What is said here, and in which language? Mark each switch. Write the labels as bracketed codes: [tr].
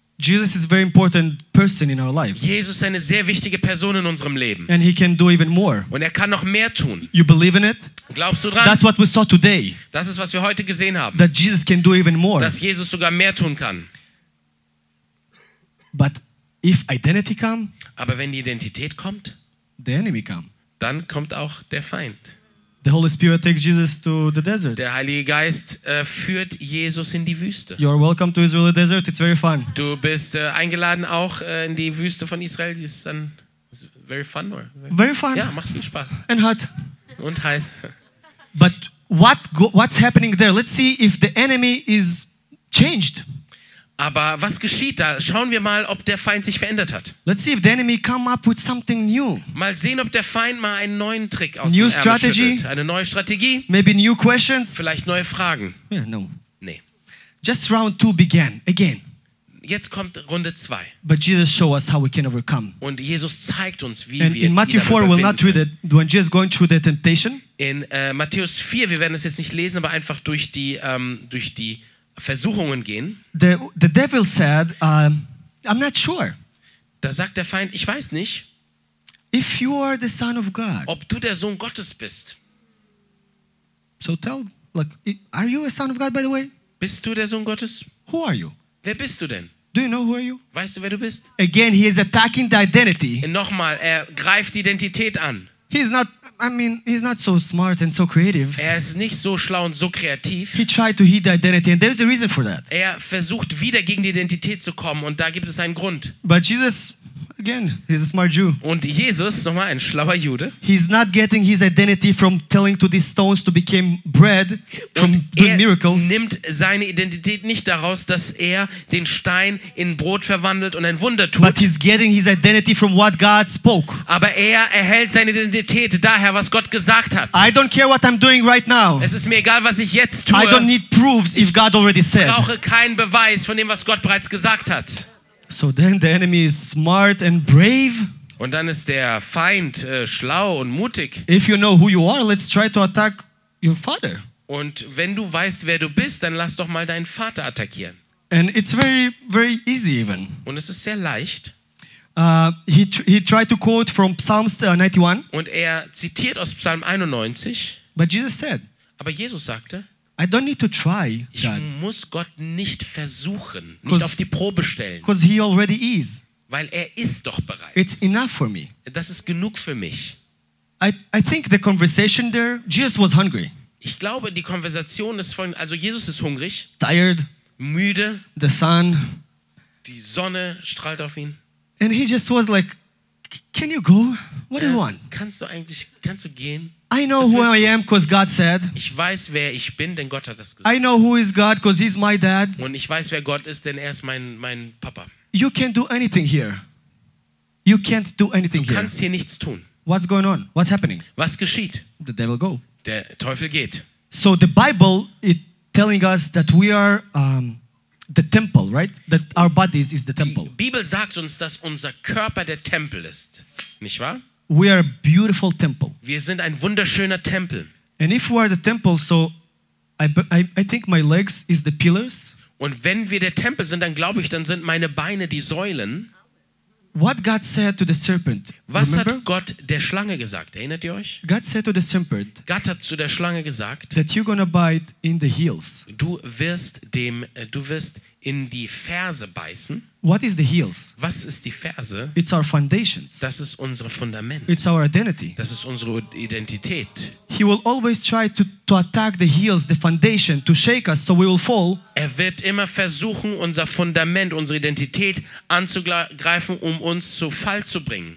[en] Jesus is a very important person in our lives. [de] Jesus ist eine sehr wichtige Person in unserem Leben. [en] And he can do even more. [de] Und er kann noch mehr tun. [en] You believe in it? [de] Glaubst du dran? [en] That's what we saw today. [de] Das ist was wir heute gesehen haben. [en] That Jesus can do even more. [de] Dass Jesus sogar mehr tun kann. [en] But if identity come, [de] aber wenn die Identität kommt, [en] the enemy come. [de] Dann kommt auch der Feind. [en] The Holy Spirit takes Jesus to the desert. [de] Der Heilige Geist führt Jesus in die Wüste. [en] You are welcome to Israel desert. It's very fun. [de] Du bist eingeladen auch in die Wüste von Israel. Die ist dann [en] very fun. Very fun. [de] Ja, macht viel Spaß. [en] And hot. [de] Und heiß. [en] But what's happening there? Let's see if the enemy is changed. [de] Aber was geschieht da? Schauen wir mal, ob der Feind sich verändert hat. [en] Let's see if the enemy come up with something new. [de] Mal sehen, ob der Feind mal einen neuen Trick aus [en] new [de] dem Ärmel [en] strategy. [de] Schüttelt. Eine neue Strategie. [en] Maybe new questions. [de] Vielleicht neue Fragen. [en] Yeah, no. [de] Nee. [en] Just round two began again. [de] Jetzt kommt Runde 2. [en] But Jesus show us how we can overcome. [de] Und Jesus zeigt uns, wie [en] and [de] wir [en] in Matthew 4 we'll not read it. When Jesus going through the temptation. [de] In Matthäus 4, wir werden es jetzt nicht lesen, aber einfach durch die Versuchungen gehen. [en] The devil said, I'm not sure. [de] Da sagt der Feind, ich weiß nicht. [en] If you are the son of God. [de] Ob du der Sohn Gottes bist. [en] So tell, like, are you a son of God, by the way? [de] Bist du der Sohn Gottes? [en] Who are you? [de] Wer bist du denn? [en] Do you know who are you? [de] Weißt du, wer du bist? [en] Again, he is attacking the identity. [de] Nochmal, er greift die Identität an. [en] He's not so smart and so creative. [de] Er ist nicht so schlau und so kreativ. [en] He tried to hit the identity, and there's a reason for that. [de] Er versucht wieder gegen die Identität zu kommen, und da gibt es einen Grund. [en] But Jesus, again, he's a smart Jew. [de] Und Jesus, nochmal ein schlauer Jude. [en] He's not getting his identity from telling to these stones to become bread from doing miracles. [de] Er nimmt seine Identität nicht daraus, dass er den Stein in Brot verwandelt und ein Wunder tut. [en] But he's getting his identity from what God spoke. [de] Aber er erhält seine Identität daher, was Gott gesagt hat. [en] I don't care what I'm doing right now. [de] Es ist mir egal, was ich jetzt tue. [en] I don't need proofs if God already said. [de] Ich brauche keinen Beweis von dem, was Gott bereits gesagt hat. [en] So then the enemy is smart and brave. [de] Und dann ist der Feind schlau und mutig. [en] If you know who you are, let's try to attack your father. [de] Und wenn du weißt, wer du bist, dann lass doch mal deinen Vater attackieren. [en] And it's very, very easy even. [de] Und es ist sehr leicht. [en] He tried to quote from Psalms 91. [de] Und er zitiert aus Psalm 91. [en] But Jesus said. [de] Aber Jesus sagte. [en] I don't need to try. [de] Ich muss Gott nicht versuchen, nicht auf die Probe stellen. [en] Because he already is. [de] Weil er ist doch bereit. [en] It's enough for me. [de] Das ist genug für mich. [en] I think the conversation there, Jesus was hungry. [de] Ich glaube, die Konversation ist von, also Jesus ist hungrig. [en] Tired. [de] Müde. [en] The sun. [de] Die Sonne strahlt auf ihn. [en] And he just was like, can you go? What do you want? [de] Kannst du gehen? [en] I know who I am because God said. [de] Ich weiß, wer ich bin, denn Gott hat das gesagt. [en] I know who is God because he's my dad. [de] Und ich weiß, wer Gott ist, denn er ist mein Papa. [en] You can't do anything here. You can't do anything here. [de] Du kannst hier nichts tun. [en] What's going on? What's happening? [de] Was geschieht? [en] The devil go. [de] Der Teufel geht. [en] So the Bible is telling us that we are the temple, right? That our bodies is the temple. [de] Die Bibel sagt uns, dass unser Körper der Tempel ist. Nicht wahr? [en] We are a beautiful temple. [de] Wir sind ein wunderschöner Tempel. [en] And if we are the temple, so I think my legs is the pillars. [de] Und wenn wir der Tempel sind, dann glaube ich, dann sind meine Beine die Säulen. [en] What God said to the serpent? [de] Was [en] remember? [de] Hat Gott der Schlange gesagt? Erinnert ihr euch? [en] God said to the serpent. [de] Gott hat zu der Schlange gesagt. [en] That you're gonna bite in the heels. [de] Du wirst in die Ferse beißen. [en] What is the heels? [de] Was ist die Ferse? [en] It's our foundations. [de] Das ist unser Fundament. [en] It's our identity. [de] Das ist unsere Identität. [en] He will always try to attack the heels, the foundation, to shake us so we will fall. [de] Er wird immer versuchen, unser Fundament, unsere Identität anzugreifen, um uns zu Fall zu bringen.